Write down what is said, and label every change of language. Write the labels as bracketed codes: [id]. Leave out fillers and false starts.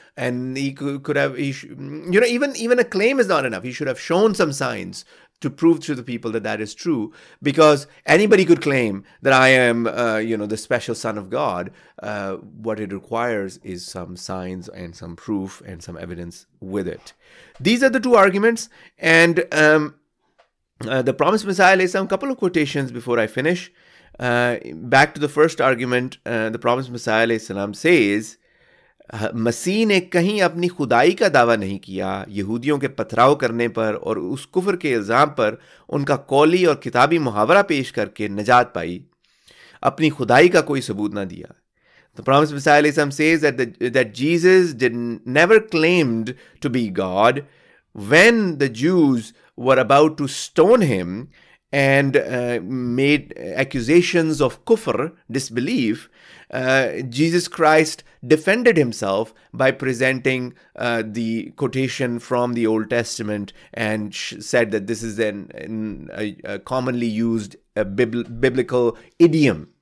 [en] And he could have, even a claim is not enough. He should have shown some signs to prove to the people that that is true, because anybody could claim that I am, the special Son of God. What it requires is some signs and some proof and some evidence with it. These are the two arguments. And the promised Messiah lays some couple of quotations before I finish. Back to the first argument, the promised Messiah alayhi salam says, [ur] مسیح نے کہیں اپنی خدائی کا دعویٰ نہیں کیا یہودیوں کے پتھراؤ کرنے پر اور اس کفر کے الزام پر ان کا قولی اور کتابی محاورہ پیش کر کے نجات پائی اپنی خدائی کا کوئی ثبوت نہ دیا. [en] The promised Messiah alayhi salam says that Jesus never claimed to be God when the Jews were about to stone him and made accusations of kufr, disbelief. Jesus Christ defended himself by presenting the quotation from the Old Testament and said that this is a commonly used biblical idiom.